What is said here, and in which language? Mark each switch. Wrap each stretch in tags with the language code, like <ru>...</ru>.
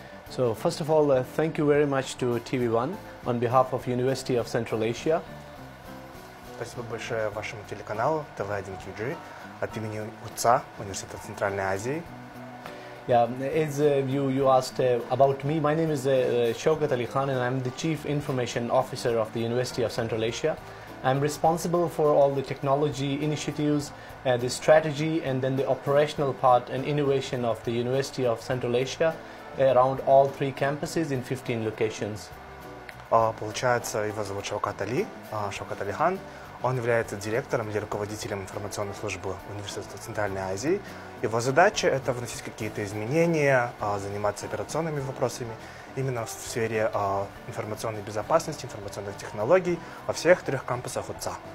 <en>So first of all, thank you very much to TV One on behalf of University of Central Asia.</en> <ru>Спасибо большое вашему телеканалу TV1QG от имени УЦА Университета Центральной Азии.</ru> <en>Yeah, as you asked about me, my name is Shaukat Ali Khan, and I'm the Chief Information Officer of the University of Central Asia. I'm responsible for all the technology initiatives, the strategy, and then the operational part and innovation of the University of Central Asia. Around all three campuses in 15 locations.</en> <ru>Получается, его зовут Шаукат Али, Шаукат Алихан. Он является директором или руководителем информационной службы Университета Центральной Азии. Его задача – это вносить какие-то изменения, заниматься операционными вопросами именно в сфере информационной безопасности, информационных технологий во всех трех кампусах УЦА.</ru>